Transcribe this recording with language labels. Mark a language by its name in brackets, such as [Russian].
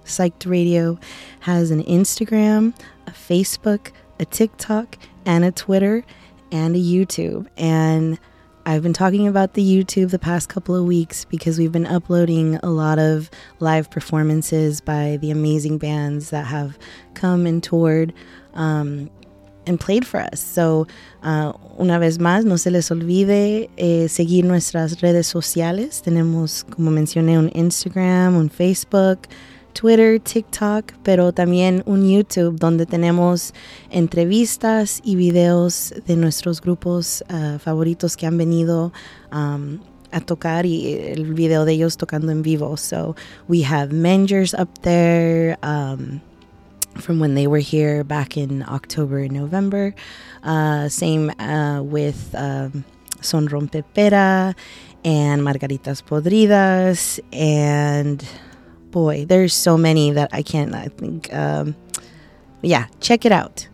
[English] Psyched Radio has an Instagram, a Facebook, a TikTok, and a Twitter, and a YouTube. And I've been talking about the YouTube the past couple of weeks because we've been uploading a lot of live performances by the amazing bands that have come and toured and played for us. [Spanish] So, una vez más, no se les olvide seguir nuestras redes sociales. Tenemos, como mencioné, un Instagram, un Facebook, Twitter, TikTok, pero también un YouTube donde tenemos entrevistas y videos de nuestros grupos favoritos que han venido a tocar y el video de ellos tocando en vivo. [English] So, we have Mangers up there, from when they were here back in October and November. Same with Son Rompepera and Margaritas Podridas. And boy, there's so many that I can't, I think. Check it out.